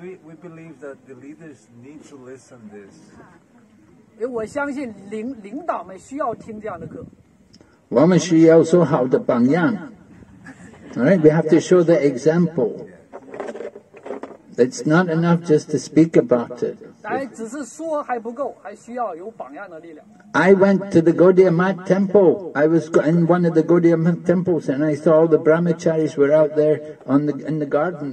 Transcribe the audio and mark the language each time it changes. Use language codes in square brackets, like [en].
[en] we believe that the leaders need to listen this. [zh] 因为我相信领导们需要听这样的课。我们需要做好的榜样。 [en] Right, we have to show the example. It's not enough just to speak about it. I went to the Gaudiya Math temple. I was in one of the Gaudiya Math temples and I saw all the brahmacharis were out there on the, in the garden.